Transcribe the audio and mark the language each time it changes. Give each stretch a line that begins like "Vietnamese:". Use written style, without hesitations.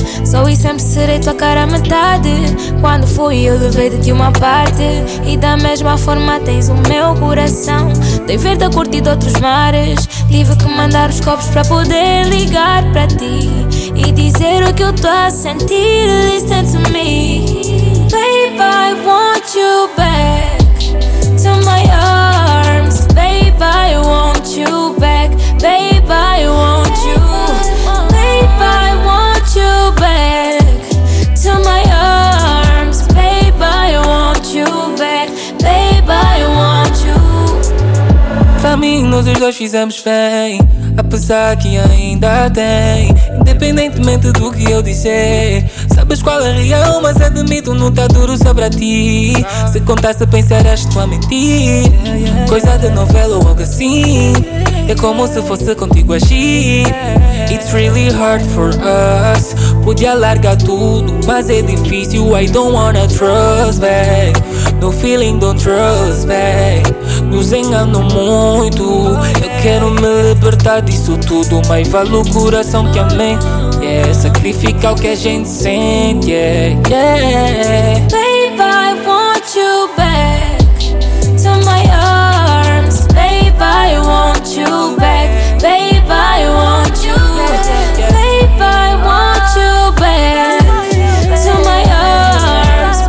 Portuguese: Sou e sempre serei tua cara à metade. Quando fui eu levei de ti uma parte, e da mesma forma tens o meu coração. Dei ver-te a curtir de outros mares. Tive que mandar os copos para poder ligar para ti e dizer o que eu estou a sentir.
English: Listen to me. Babe, I want you back to my arms. Babe, I want you back. Babe, I want you. Babe, I want you back to my arms. Babe, I want you back. Babe, I want you.
Portuguese: Pra mim, nós os dois fizemos bem. Apesar que ainda tem, independentemente do que eu disser. Sabes qual é real, mas admito, não tá duro só pra ti. Se contasse, pensarás tu a mentir. Coisa de novela ou algo assim. É como se fosse contigo agir.
English: It's really hard for us.
Portuguese: Podia largar tudo, mas é difícil.
English: I don't wanna trust, babe. No feeling, don't trust, babe.
Portuguese: Nos engano muito. Eu quero me libertar disso tudo. Mas vale o coração que amei. Yeah, sacrificar o que a gente sente, yeah, yeah.
English: Babe, I want you back to my arms. Babe, I want you back. Babe, I want you. Babe, I want you back to my arms.